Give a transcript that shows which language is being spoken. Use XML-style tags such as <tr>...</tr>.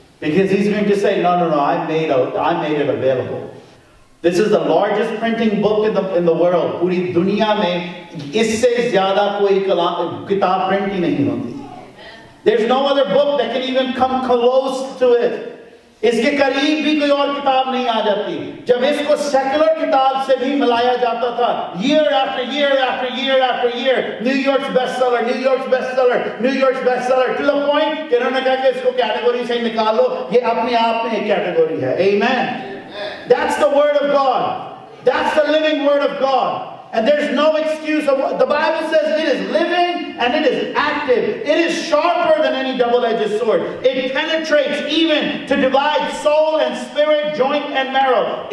<en>Because He's going to say, no, I made it available. This is the largest printing book in the world.</en> <hi>Puri duniya mein isse zyada koi kitab print hi nahi hoti. There's no other book that can even come close to it. इसके करीब भी कोई और किताब नहीं आ जाती जब इसको सेक्युलर किताब से भी मिलाया जाता था</hi> <en>year after year after year after year New York's bestseller to the point</en> <hi>कि उन्होंने कहा कि इसको कैटेगरी से निकालो ये अपने आप में एक कैटेगरी है</hi> <en>amen that's the word of god that's the living word of god And there's no excuse. The Bible says it is living and it is active. It is sharper than any double-edged sword. It penetrates even to divide soul and spirit, joint and marrow.</en>